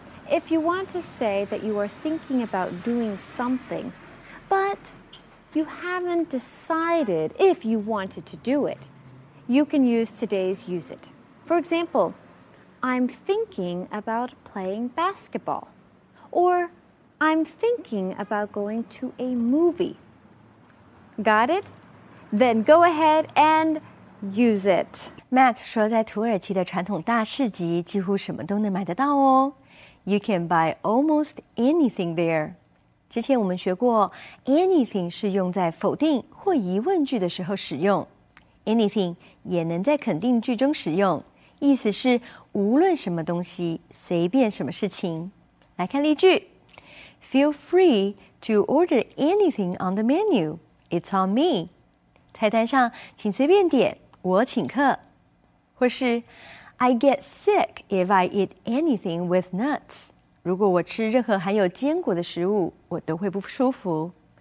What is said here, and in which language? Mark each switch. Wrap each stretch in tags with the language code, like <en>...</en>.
<en>If you want to say that you are thinking about doing something, but you haven't decided if you wanted to do it, you can use today's use it. For example, I'm thinking about playing basketball, or I'm thinking about going to a movie. Got it? Then go ahead and use it.</en> <zh>Matt 说在土耳其的传统大市集几乎什么都能买得到哦。</zh> <en>You can buy almost anything there.</en> <zh>之前我们学过 anything 是用在否定或疑问句的时候使用。 Anything 也能在肯定句中使用，意思是无论什么东西，随便什么事情。来看例句。</zh> <en>Feel free to order anything on the menu. It's on me.</en> <zh>菜单上请随便点，我请客。或是</zh> <en>I get sick if I eat anything with nuts.</en> <zh>如果我吃任何含有坚果的食物，我都会不舒服。</zh>